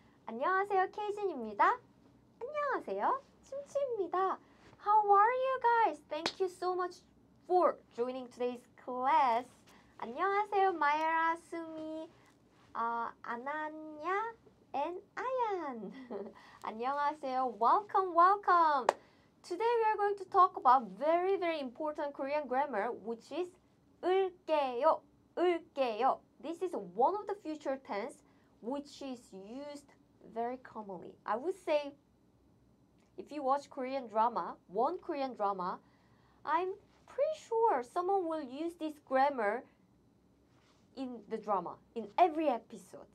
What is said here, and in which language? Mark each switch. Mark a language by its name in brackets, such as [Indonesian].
[Korean] 안녕하세요, 케이진입니다. 안녕하세요, 침치입니다. [English] How are you guys? Thank you so much for joining today's class. [Korean] 안녕하세요, 마에라, 수미, 아나냐, and 아얀. 안녕하세요. [English] Welcome, welcome. Today we are going to talk about very, very important Korean grammar, which is 을게요, 을게요. This is one of the future tense, which is used very commonly. I would say, if you watch Korean drama, one Korean drama, I'm pretty sure someone will use this grammar in the drama, in every episode.